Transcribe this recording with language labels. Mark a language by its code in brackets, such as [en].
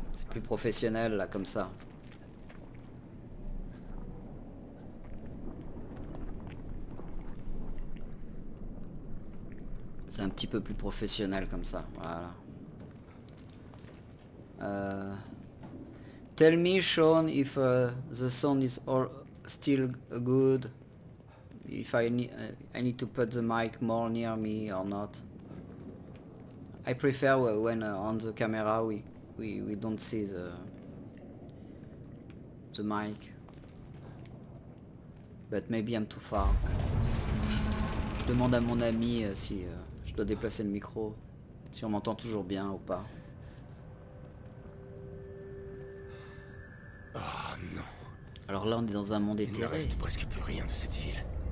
[fr] Plus professionnel là comme ça. C'est un petit peu plus professionnel comme ça, voilà. [en] Tell me Sean if the sound is all still good, if I need to put the mic more near me or not. I prefer when on the camera we don't see the mic, but maybe I'm too far. [fr] Je demande à mon ami si je dois déplacer le micro, si on m'entend toujours bien ou pas. Oh non. Alors là on est dans un monde éthéré. Il ne reste presque plus rien de cette ville.